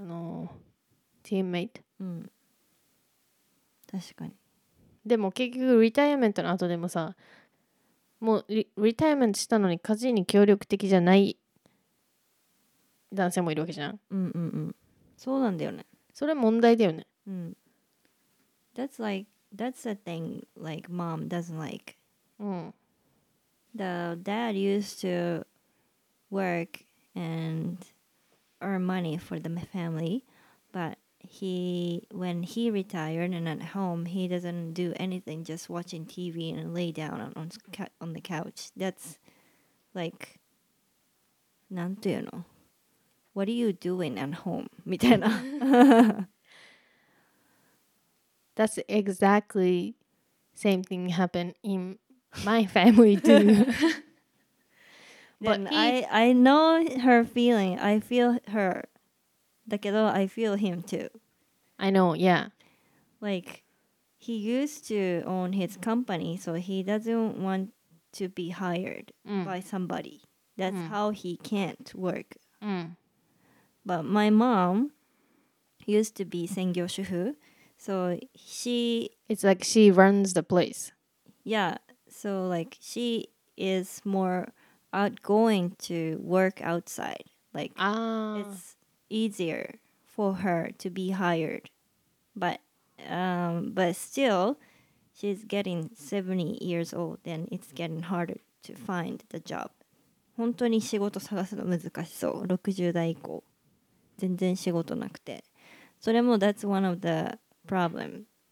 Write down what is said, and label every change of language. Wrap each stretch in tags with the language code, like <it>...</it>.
<ja>あのチームメイト、うん、確かにでも結局リタイアメントの後でもさもう リタイアメントしたのに家事に協力的じゃない男性もいるわけじゃん、うんうんうん、そうなんだよねそれ問題だよね、うん、</ja> <en>That's like that's the thing like mom doesn't like、</en> <ja>うん、</ja> <en>The dad used toWork and earn money for the family, but he when he retired and at home he doesn't do anything, just watching TV and lay down on the couch. That's like,</en> <ja>なんていうの?</ja> <en>What are you doing at home?</en> <ja>みたいな.</ja> <en>That's exactly same thing happened in my family too. But I know her feeling. I feel her.</en> <ja>だけど</ja> <en>I feel him too. I know, yeah. Like, he used to own his company, so he doesn't want to be hired、 mm. by somebody. That's、mm. how he can't work.、 Mm. But my mom used to be Sengyo Shuhu, so she... It's like she runs the place. Yeah, so like she is more... outgoing to work outside like、 ah. it's easier for her to be hired but still she's getting 70 years old and it's getting harder to find the job</en> <ja>本当に仕事探すの難しそう60代以降全然仕事なくてそれも</ja> <en>that's one of the problem</en>